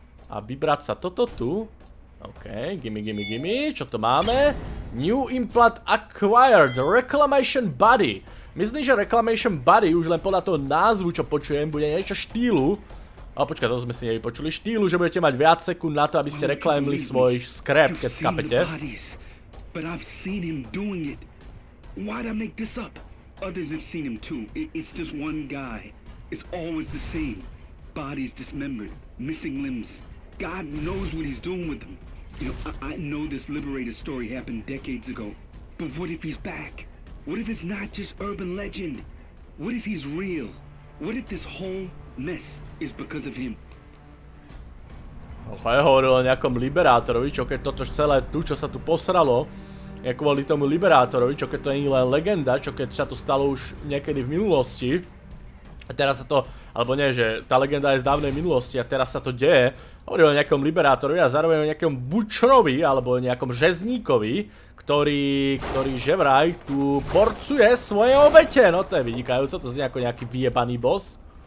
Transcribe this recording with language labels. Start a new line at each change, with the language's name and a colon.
Slovak: A vybrať sa toto tu.
English: OK, gimme, gimme, gimme.
Slovak: Čo to máme?
English: New implant acquired. Reclamation body.
Slovak: Myslím, že reclamation body už len podľa toho názvu, čo počujem, bude niečo štýlu. A počkaj, to sme si nevypočuli. Štýlu, že budete mať viac sekúnd na to, aby ste reklamili svoj scrap, keď skapete.
English: But I've seen him doing it. Why'd I make this up? Others have seen him too. It's just one guy. It's always the same. Bodies dismembered, missing limbs. God knows what he's doing with them. You know, I know this Liberator story happened decades ago. But what if he's back? What if it's not just urban legend? What if he's real? What if this whole mess is because of him?
Slovak: Ocho, ja hovoril o nejakom Liberátorovi, čo keď toto celé tu, čo sa tu posralo, je kvôli tomu Liberátorovi, čo keď to nie je len legenda, čo keď sa to stalo už niekedy v minulosti, a teraz sa to, alebo nie, že tá legenda je z dávnej minulosti a teraz sa to deje, hovoril o nejakom Liberátorovi a zároveň o nejakom Butcherovi, alebo o nejakom Žezníkovi, ktorý že vraj tu porcuje svoje obete, no to je vynikajúce, to znie ako nejaký vyjebaný boss.